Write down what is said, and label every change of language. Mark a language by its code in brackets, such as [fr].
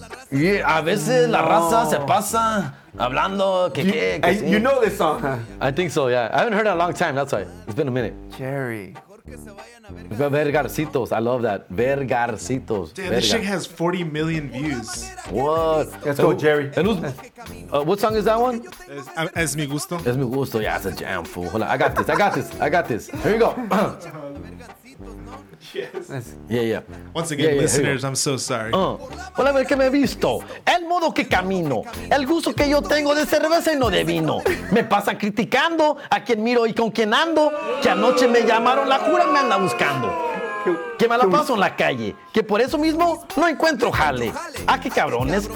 [es] Yeah, a veces la raza se pasa hablando que [en] you know this song, huh? I think so, yeah. I haven't heard it in a long time, that's why. It's been a minute. Jerry. Vergarcitos, I love that. Vergarcitos. Damn, this shit has 40 million views. What? Let's go, Jerry. What song is that one? [es] Es Mi Gusto. [en] Es Mi Gusto, yeah, it's a jam, fool. Hold on, I got this. Here you go. Yes. Yeah, yeah. Once again, listeners, I'm so sorry. [es] Hola, ver que me he visto. El modo que camino. El gusto que yo tengo de cerveza y no de vino. Me pasa criticando a quien miro y con quien ando. Que anoche me llamaron, la jura me anda buscando. Que me la paso en la calle. Que por eso mismo no encuentro jale. Ah, qué cabrones.